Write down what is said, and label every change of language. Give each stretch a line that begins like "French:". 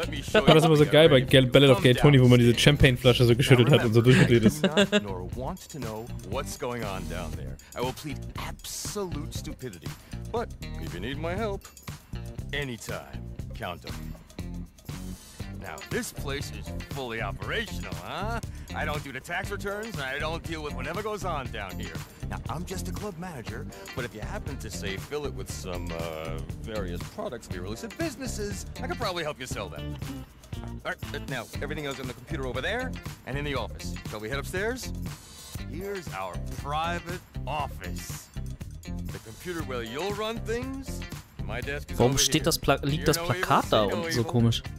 German: Das ist immer so geil bei Ballad of Gay Tony, wo man diese Champagne-Flasche so geschüttelt hat und so durchgedreht ist.
English: Nor want to know what's going on down there. I will plead absolute stupidity. But if you need my help, anytime, count them. Now, this place is fully operational, huh? I don't do the tax returns, and I don't deal with whatever goes on down here. Now, I'm just a club manager, but if you happen to, say, fill it with some, various products we release at businesses, I could probably help you sell them. Alright, now, everything else on the computer over there, and in the office. Shall we head upstairs? Here's our private office. The computer where you'll run things? My desk is
German: warum steht das liegt das Plakat da unten so komisch?